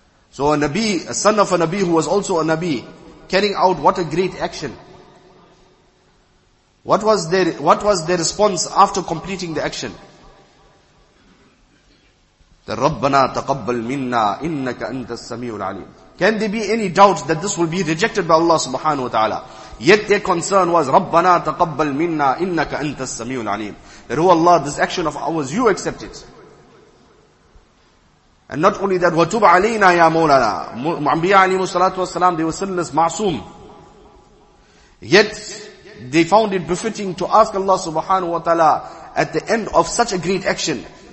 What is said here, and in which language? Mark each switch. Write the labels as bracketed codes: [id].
[en] So a Nabi, a son of a Nabi who was also a Nabi, carrying out what a great action. What was their response after completing the action? [ar] The Rabbana taqabbal minna innaka antas samiul alim. [en] Can there be any doubt that this will be rejected by Allah subhanahu wa ta'ala? Yet their concern was, [ar] رَبَّنَا تَقَبَّلْ مِنَّا إِنَّكَ أَنْتَ السَّمِيعُ الْعَلِيمُ. [en] That, oh Allah, this action of ours, you accept it. And not only that, [ar] وَتُبْ عَلَيْنَا يَا مَوْلَنَا. [en] Anbiya alayhi salatu wasalam, they were sinless, ma'soom. Yet they found it befitting to ask Allah subhanahu wa ta'ala at the end of such a great action,